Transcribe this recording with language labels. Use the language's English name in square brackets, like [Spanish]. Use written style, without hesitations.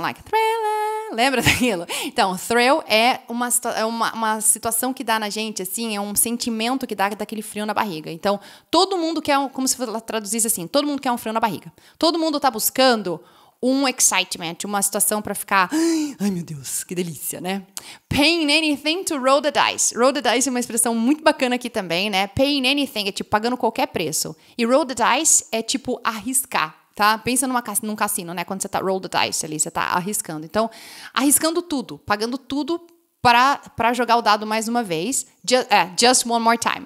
[Portuguese] Like, thriller, lembra daquilo? Então, thrill é uma situação que dá na gente, assim, é um sentimento que dá daquele frio na barriga. Então, todo mundo quer, como se ela traduzisse assim, todo mundo quer um frio na barriga. Todo mundo tá buscando um excitement, uma situação pra ficar, ai meu Deus, que delícia, né? [English] Paying anything to roll the dice. Roll the dice [Portuguese] é uma expressão muito bacana aqui também, né? [English] Paying anything [Portuguese] é tipo pagando qualquer preço. E [English] roll the dice [Portuguese] é tipo arriscar, tá? Pensa num cassino, né? Quando você tá roll the dice ali, você tá arriscando. Então, arriscando tudo, pagando tudo pra jogar o dado mais uma vez. [English] Just one more time.